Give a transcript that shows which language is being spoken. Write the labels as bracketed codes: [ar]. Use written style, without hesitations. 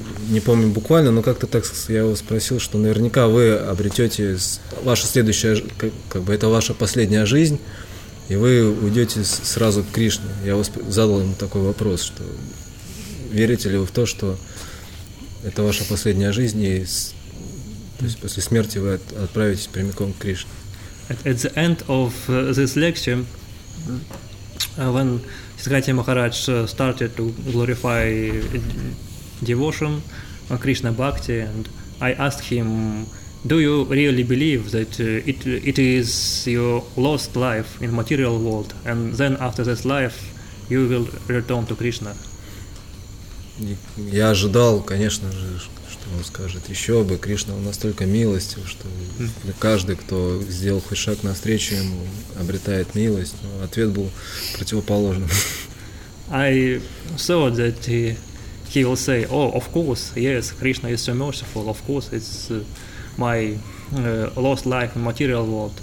[ru] не помню буквально, но как-то так я его спросил, что наверняка вы обретете ваша следующая, как бы это ваша последняя жизнь, и вы уйдете сразу к Кришне. Я задал ему такой вопрос, что верите ли вы в то, что это ваша последняя жизнь, и то есть после смерти вы отправитесь прямиком к Кришне. [en] At the end of this lecture, when Siddhanti Maharaj started to glorify devotion, Krishna Bhakti, and I asked him, do you really believe that it is your lost life in material world, and then after this life you will return to Krishna? [ru] Я ожидал, конечно же, что он скажет, еще бы, Кришна настолько милостив, что каждый, кто сделал хоть шаг навстречу ему, обретает милость. Но ответ был противоположным. [en] I thought that he will say, oh, of course, yes, Krishna is so merciful, of course, it's my lost life in material world.